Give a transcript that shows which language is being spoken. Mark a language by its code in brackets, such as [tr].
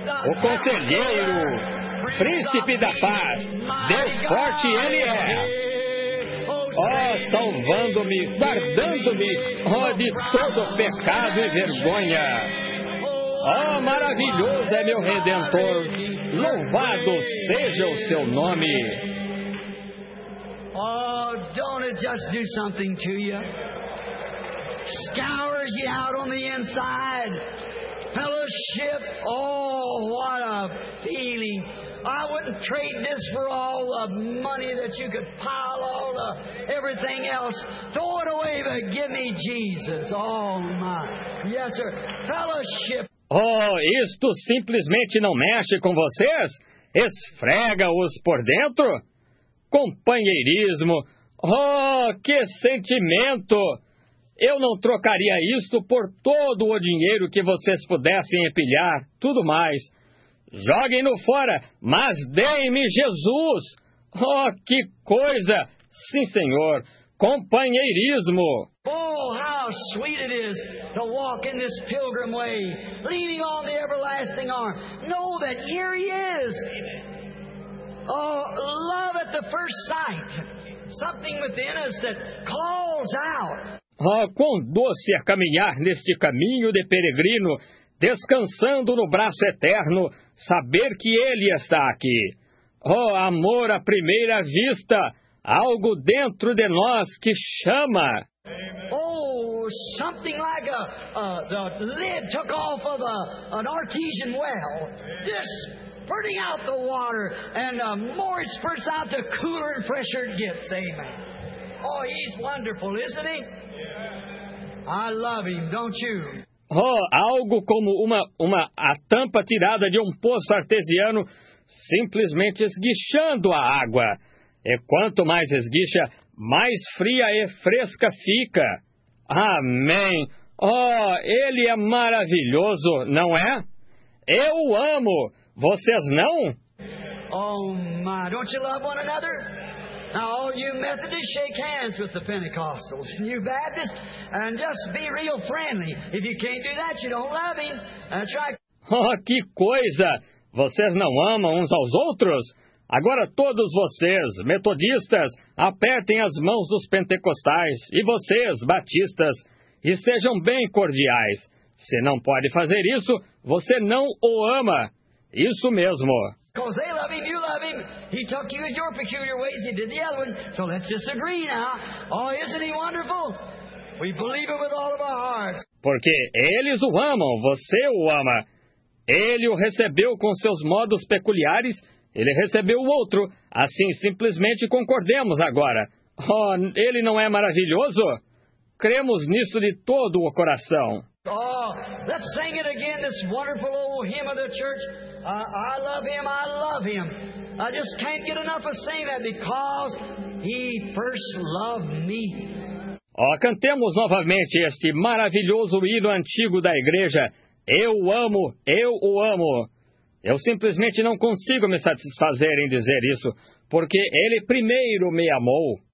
[pt] O conselheiro, príncipe da paz, Deus forte ele é. Oh, salvando-me, guardando-me, oh, de todo pecado e vergonha. Oh, maravilhoso é meu Redentor. Louvado seja o seu nome. [en] Oh, don't it just do something to you? Scours you out on the inside. Fellowship, oh, what a feeling. I wouldn't trade this for all the money that you could pile, all the everything else. Throw it away, but give me Jesus. Oh, my. Yes, sir. Fellowship. [pt] Oh, isto simplesmente não mexe com vocês? Esfrega-os por dentro? Companheirismo! Oh, que sentimento! Eu não trocaria isto por todo o dinheiro que vocês pudessem empilhar, tudo mais. Joguem-no fora, mas deem-me Jesus! Oh, que coisa! Sim, senhor! Companheirismo! [en] Oh, how sweet it is to walk in this pilgrim way, leaning on the everlasting arm. Know that here he is. Oh, love at the first sight. Something within us that calls out. [pt] Oh, quão doce é caminhar neste caminho de peregrino, descansando no braço eterno, saber que ele está aqui. Oh, amor à primeira vista, algo dentro de nós que chama. [en] Oh, something like the lid took off of an artesian well. Just spurting out the water, and the more it spurts out, the cooler and fresher it gets. Amen. Oh, he's wonderful, isn't he? I love him, don't you? [pt] Oh, algo como a tampa tirada de um poço artesiano, simplesmente esguichando a água. E quanto mais esguicha, mais fria e fresca fica. Amém. Oh, ele é maravilhoso, não é? Eu o amo. Vocês não? [en] Oh, my. Don't you love one another? Now, all you Methodists, shake hands with the Pentecostals. And you Baptists, and just be real friendly. If you can't do that, you don't love him. That's right. [pt] Oh, que coisa. Vocês não amam uns aos outros? Agora todos vocês, metodistas, apertem as mãos dos pentecostais, e vocês, batistas, e sejam bem cordiais. Se não pode fazer isso, você não o ama. Isso mesmo. [en] Because they love him, you love him. He took you in your peculiar ways, he did the other one. So let's disagree now. Oh, isn't he wonderful? We believe it with all of our hearts. [pt] Porque eles o amam, você o ama. Ele o recebeu com seus modos peculiares. Ele recebeu o outro, assim simplesmente concordemos agora. Oh, ele não é maravilhoso? Cremos nisso de todo o coração. [en] Oh, let's sing it again, this wonderful old hymn of the church. I love him, I love him. I just can't get enough of saying that because he first loved me. [pt] Oh, cantemos novamente este maravilhoso hino antigo da igreja. Eu o amo, eu o amo. Eu simplesmente não consigo me satisfazer em dizer isso, porque ele primeiro me amou.